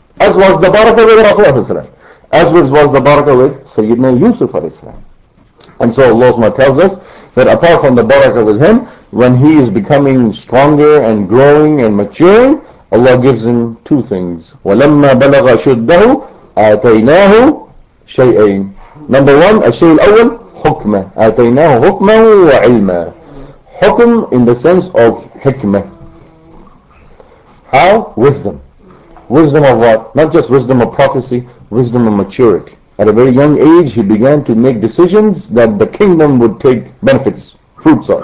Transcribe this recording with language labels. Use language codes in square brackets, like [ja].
[en] As was the barakah with Rasulullah, as was the barakah with Sayyidina Yusuf al-Islam. And so Allah tells us that apart from the barakah with him, when he is becoming stronger and growing and maturing, Allah gives him two things. [ar] وَلَمَّا بَلَغَ شُدَّهُ آتَيْنَاهُ شَيْئَيْنَ. [en] Number one, [ar] الشيء الأول, حكمة. آتَيْنَاهُ حُكْمًا وَعِلْمًا. [en] Hukm in the sense of hikmah. How? Wisdom. Wisdom of what? Not just wisdom of prophecy, wisdom of maturity. At a very young age, he began to make decisions that the kingdom would take benefits, fruits of.